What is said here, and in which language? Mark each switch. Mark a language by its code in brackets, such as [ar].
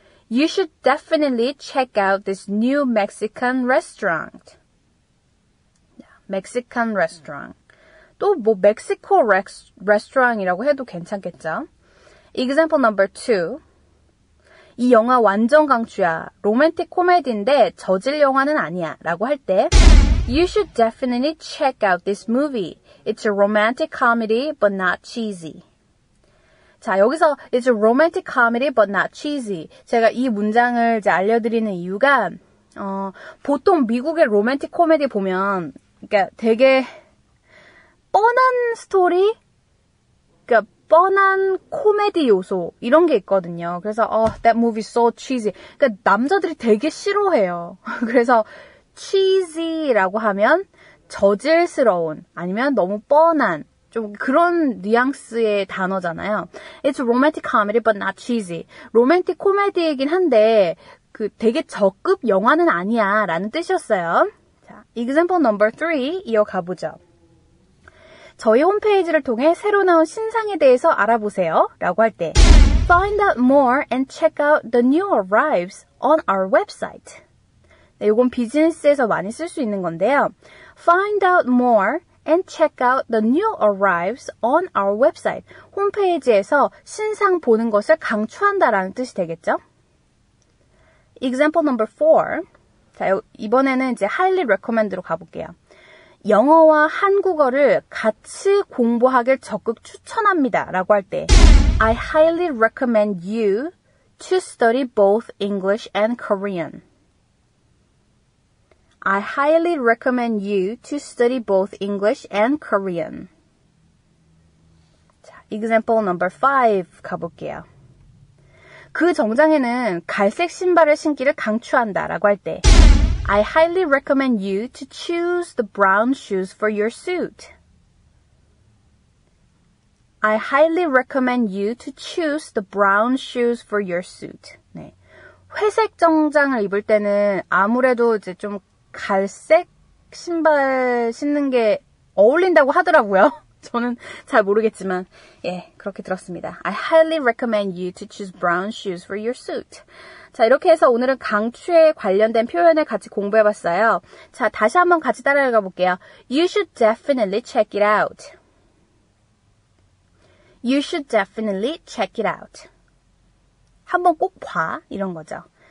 [en] You should definitely check out this new Mexican restaurant. Mexican restaurant. [ko] 또 뭐 멕시코 레스토랑이라고 해도 괜찮겠죠? [en] Example number two. [ko] 이 영화 완전 강추야. 로맨틱 코미디인데 저질 영화는 아니야 라고 할 때 [en] You should definitely check out this movie. It's a romantic comedy, but not cheesy. [ko] 자, 여기서 [en] It's a romantic comedy, but not cheesy. [ko] 제가 이 문장을 이제 알려드리는 이유가 보통 미국의 로맨틱 코미디 보면 그러니까 되게 뻔한 스토리, 그러니까 뻔한 코미디 요소 이런 게 있거든요. [en] 그래서 that movie is so cheesy. [ko] 그러니까 남자들이 되게 싫어해요. 그래서 cheesy라고 하면 저질스러운 아니면 너무 뻔한 좀 그런 뉘앙스의 단어잖아요. [en] It's a romantic comedy but not cheesy. [ko] 로맨틱 코미디이긴 한데 그 되게 저급 영화는 아니야 라는 뜻이었어요. 자, [en] example number three [ko] 이어가 보죠. 저희 홈페이지를 통해 새로 나온 신상에 대해서 알아보세요 라고 할 때 [en] Find out more and check out the new arrives on our website. [ko] 네, 이건 비즈니스에서 많이 쓸 수 있는 건데요. [en] Find out more and check out the new arrives on our website. [ko] 홈페이지에서 신상 보는 것을 강추한다라는 뜻이 되겠죠? [en] Example number four. [ko] 자, 이번에는 이제 highly recommend로 가볼게요. 영어와 한국어를 같이 공부하길 적극 추천합니다. 라고 할 때 [en] I highly recommend you to study both English and Korean. I highly recommend you to study both English and Korean. 자, example number five [ko] 가볼게요. 그 정장에는 갈색 신발을 신기를 강추한다 라고 할 때 [en] I highly recommend you to choose the brown shoes for your suit. I highly recommend you to choose the brown shoes for your suit. [ko] 네. 회색 정장을 입을 때는 아무래도 이제 좀 갈색 신발 신는 게 어울린다고 하더라고요. 저는 잘 모르겠지만 예, 그렇게 들었습니다. [en] I highly recommend you to choose brown shoes for your suit. [ko] 자, 이렇게 해서 오늘은 강추에 관련된 표현을 같이 공부해봤어요. 자, 다시 한번 같이 따라 읽어볼게요. [en] You should definitely check it out. You should definitely check it out. [ko] 한번 꼭 봐, 이런 거죠.